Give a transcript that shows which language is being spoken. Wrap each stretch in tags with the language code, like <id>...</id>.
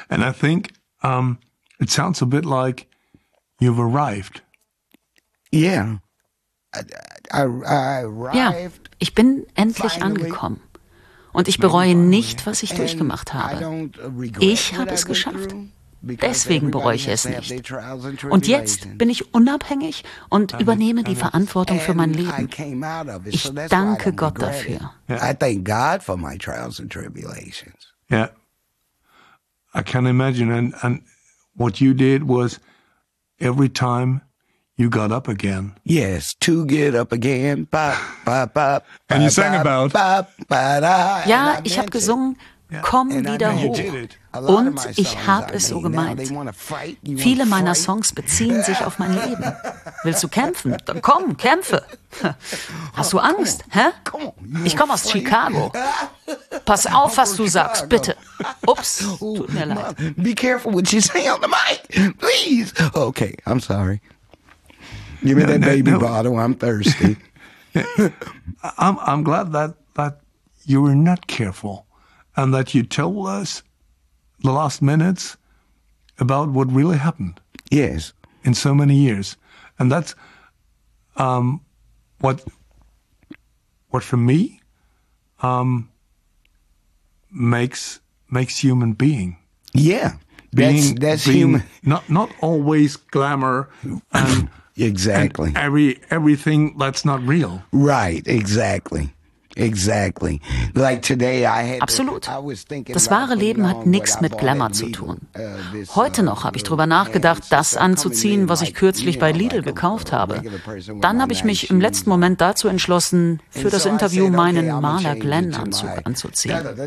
<en>And I think it sounds a bit like you've arrived. Yeah. I arrived.</en> <de>Ja, ich bin endlich angekommen. Und ich bereue nicht, was ich durchgemacht habe. Ich habe es geschafft. Deswegen bereue ich es nicht. Und jetzt bin ich unabhängig und übernehme die Verantwortung für mein Leben. Ich danke Gott dafür.</de> <en>I thank God for my trials and tribulations. Yeah. I can imagine. And what you did was every time you got up again. Yes, to get up again. Bop, bop, bop. And you sang about. Bop, bop, da. Ja, ich habe gesungen. Komm wieder hoch. Und ich habe es so gemeint. Viele meiner Songs beziehen sich auf mein Leben. Willst du kämpfen? Dann komm, kämpfe. Hast du Angst? Hä? Ich komme aus Chicago. Pass auf, was du sagst, bitte. Ups, tut mir leid. Be careful what you say on the mic, please. Okay, I'm sorry. Give me that baby bottle, I'm thirsty. I'm glad that you were not careful. And that you told us the last minutes about what really happened. Yes. In so many years. And that's what for me makes human being. Yeah. Being, that's being human. Not always glamour and exactly. And everything that's not real. Right, exactly. Exactly. Like today I had</en> <de>absolut. Das wahre Leben hat nichts mit Glamour zu tun. Heute noch habe ich darüber nachgedacht, das anzuziehen, was ich kürzlich bei Lidl gekauft habe. Dann habe ich mich im letzten Moment dazu entschlossen, für das Interview meinen Marla Glenn-Anzug anzuziehen.</de>